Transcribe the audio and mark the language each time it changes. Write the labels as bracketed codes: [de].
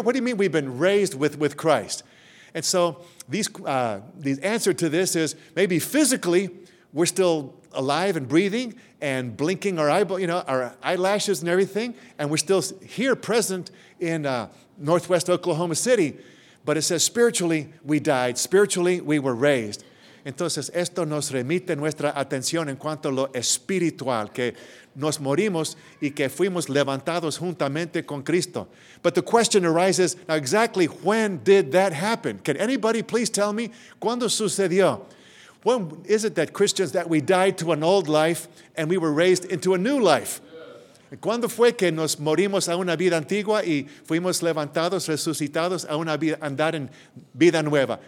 [en] What do you mean we've been raised with Christ? And so the answer to this is maybe physically we're still alive and breathing and blinking our eyelashes and everything, and we're still here present in Northwest Oklahoma City. But it says spiritually we died. Spiritually we were raised. [es] Entonces, esto nos remite nuestra atención en cuanto a lo espiritual, que nos morimos y que fuimos levantados juntamente con Cristo. [en] But the question arises, now exactly when did that happen? Can anybody please tell me? [es] ¿Cuándo sucedió? [en] When is it that Christians, that we died to an old life and we were raised into a new life? [es] ¿Cuándo fue que nos morimos a una vida antigua y fuimos levantados, resucitados a una vida, andar en vida nueva?